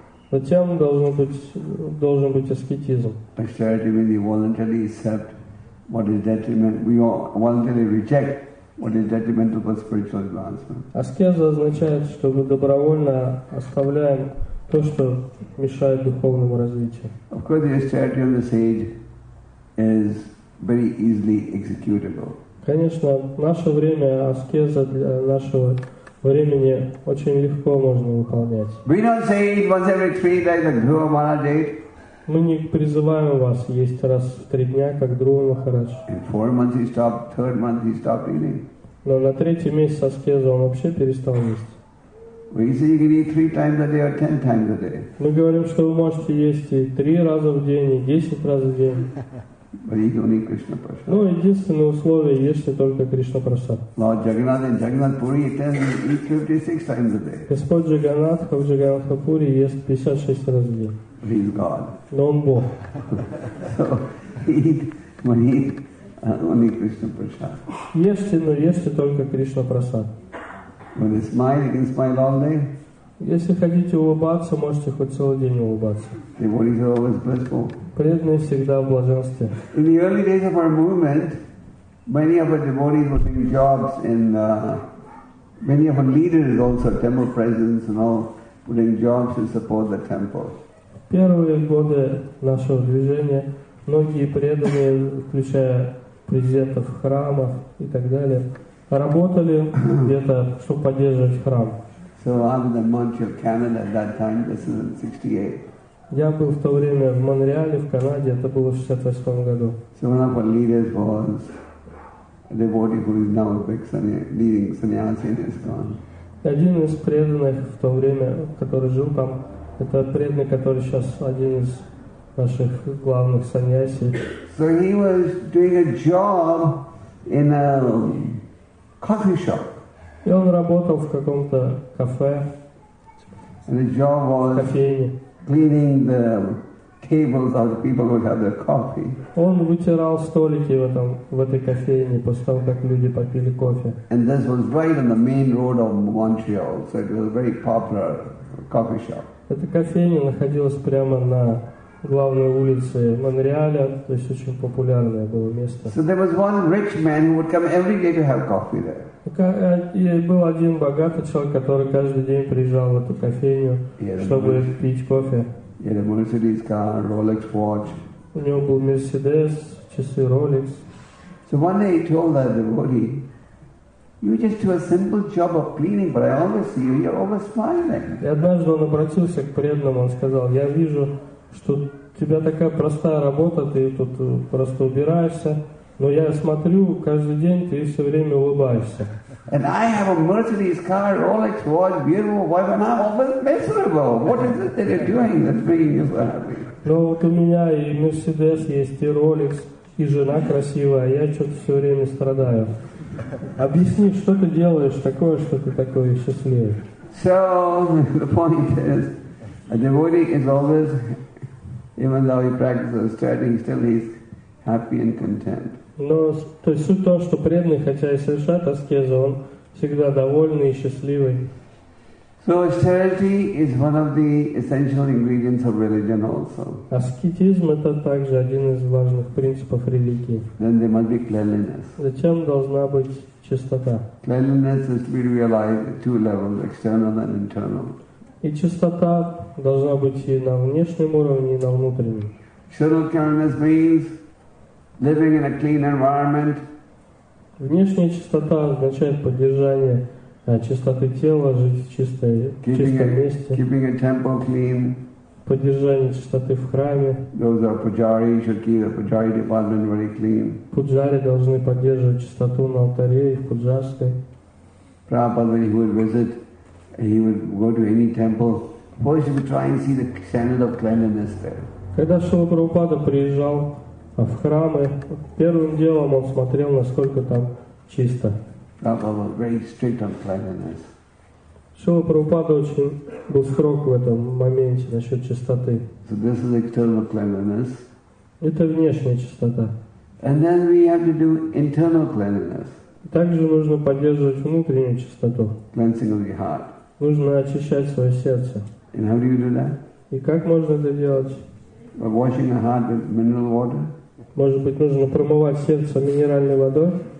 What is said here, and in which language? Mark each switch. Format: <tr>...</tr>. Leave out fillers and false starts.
<ru>Затем должен быть аскетизм.</ru> <en>Austerity means you voluntarily accept what is detrimental. We voluntarily reject what is detrimental for spiritual advancement.</en> <ru>Аскеза означает, что мы добровольно оставляем то, что мешает духовному развитию.</ru> <en>Of course, the austerity of the sage is very easily executable.</en> <ru>Конечно, наше время аскеза для нашего времени очень легко можно выполнять.</ru> <en>We don't say it once every 3 days like Dhruva Maharaj did.</en> <ru>Мы не призываем вас есть раз в 3 дня, как Дхрува Махарадж.</ru> <en>In 4 months he stopped, 3rd month he stopped eating.</en> <ru>Но на 3-й месяц аскеза он вообще перестал есть.</ru> <en>We say you can eat 3 times a day or 10 times a day.</en> <ru>Мы говорим, что вы можете есть и 3 раза в день, и 10 раз в день.</ru> <en>But eat only Krishna Prasad.</en> <ru>Ну, единственное условие, если только Кришна Прасад.</ru> <en>Lord Jagannath in Jagannath Puri tells you eat 56 times a day.</en> <ru>Господь Джаганнатха в Джаганнатха Пури ест 56 раз в день.</ru> <en>He's God.</en> <ru>Но он Бог.</ru> <en>So eat only Krishna Prasad.</en> <ru>Ешьте, но ешьте только Кришна Прасад.</ru> <en>When you smile, you can smile all day.</en> <ru>Если хотите улыбаться, можете хоть целый день улыбаться.</ru> <en>Devotees are always blissful.</en> <ru>Преданные всегда в блаженстве.</ru> <en>In the early days of our movement, many of our devotees were doing jobs in many of our leaders also temple presidents and all were doing jobs to support the temple.</en> <ru>Первые годы нашего движения многие преданные, включая президентов храмов и так далее, работали где-то, чтобы поддерживать храм.</ru> <en>So I'm in the Montreal, Canada at that time. This is in 68.</en> <ru>Я был в то время в Монреале, в Канаде. Это было в 68 году.</ru> <en>So one of our leaders was a devotee who is now a big leading sannyasi and is gone.</en> <ru>Один из преданных в то время, который жил там, это преданный, который сейчас один из наших главных сannyasi.</ru> <en>So he was doing a job in a coffee shop.</en> <ru>И он работал в каком-то кафе.</ru> <en>And his job was</en> <ru>кофейне.</ru> <en>Cleaning the tables of the people who had their coffee.</en> <ru>Он вытирал столики в этой кофейне после того, как люди попили кофе.</ru> <en>And this was right on the main road of Montreal, so it was a very popular coffee shop.</en> <ru>Эта кофейня находилась прямо на главной улице Монреаля, то есть очень популярное было место.</ru> <en>So there was one rich man who would come every day to have coffee there.</en> <ru>И был один богатый человек, который каждый день приезжал в эту кофейню, чтобы пить кофе.</ru> <en>Mercedes car, Rolex watch.</en> <ru>У него был Mercedes, часы Rolex.</ru> <en>So one day he told that devotee, "You just do a simple job of cleaning, but I always see you. You're always smiling."</en> <ru>И однажды он обратился к преданному, он сказал: "Я вижу, что у тебя такая простая работа, ты тут просто убираешься. Но я смотрю каждый день, ты все время улыбаешься."</ru> <en>And I have a Mercedes car, Rolex watch, beautiful wife, and I'm always miserable. What is it that you're doing that's bringing you so happy?</en> <ru>Но вот у меня и Mercedes есть, и Rolex, и жена красивая, а я что-то все время страдаю. Объясни, что ты делаешь такое, что ты такой счастливый?</ru> <en>So the point is, a devotee is always, even though he practices austerity, still he's happy and content.</en> <ru>Но то есть суть в том, что преданный, хотя и совершает аскезу, он всегда довольный и счастливый.</ru> <en>So austerity is one of the essential ingredients of religion also.</en> <ru>Аскетизм это также один из важных принципов религии.</ru> <en>Then there must be cleanliness.</en> <ru>Зачем должна быть чистота?</ru> <en>Cleanliness is to be realized at two levels, external and internal.</en> <ru>И чистота должна быть и на внешнем уровне, и на внутреннем.</ru> <en>External cleanliness means living in a clean environment.</en> <ru>Внешняя чистота означает поддержание чистоты тела, жить в чистой, чистом месте.</ru> <en>Keeping a temple clean.</en> <ru>Поддержание чистоты в храме.</ru> <en>Those are pujari, should keep the pujari department very clean.</en> <ru>Пуджари должны поддерживать чистоту на алтаре и в пуджарской.</ru> <en>Prabhupada, when he would visit, he would go to any temple. First, he would try and see the standard of cleanliness there.</en> <ru>Когда Шрила Прабхупада приезжал в храмы, первым делом он смотрел, насколько там чисто.</ru> <en>Prabhupada was very strict on cleanliness.</en> <ru>Шрила Прабхупада очень был строг в этом моменте насчет чистоты.</ru> <en>So this is external cleanliness.</en> <ru>Это внешняя чистота.</ru> <en>And then we have to do internal cleanliness.</en> <ru>Также нужно поддерживать внутреннюю чистоту.</ru> <en>Cleansing of the heart.</en> <ru>Нужно очищать свое сердце.</ru> <en>And how do you do that?</en> <ru>И как можно это делать?</ru> <en>By washing the heart with mineral water.</en> <ru>Может быть, нужно промывать сердце минеральной водой?</ru>